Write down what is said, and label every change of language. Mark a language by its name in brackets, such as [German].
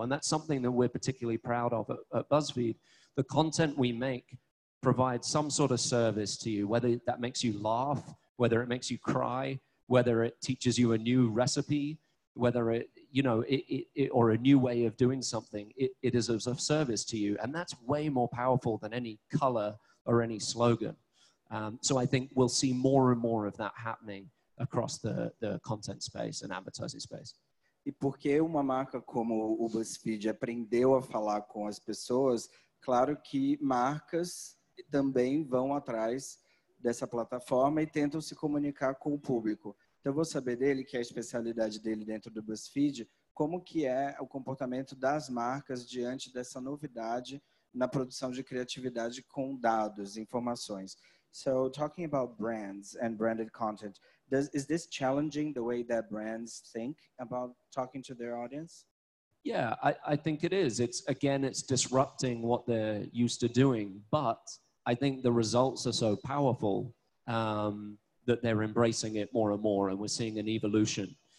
[English] And that's something that we're particularly proud of at BuzzFeed. The content we make provides some sort of service to you, whether that makes you laugh, whether it makes you cry, whether it teaches you a new recipe, whether it, you know, it or a new way of doing something, it is of service to you. And that's way more powerful than any color or any slogan. So I think we'll see more and more of that happening across the content space and advertising space. [Portuguese] E porque uma marca como o BuzzFeed aprendeu a falar com as pessoas, claro que marcas também vão atrás dessa plataforma e tentam se comunicar com o público. Então, eu vou saber dele, que é a especialidade dele dentro do BuzzFeed, como que é o comportamento das marcas diante dessa novidade na produção de criatividade com dados, informações. [English] So talking about brands and branded content, is this challenging the way that brands think about talking to their audience? Yeah, I think it is. It's, again, it's disrupting what they're used to doing, but I think the results are so powerful that they're embracing it more and more, and we're seeing an evolution.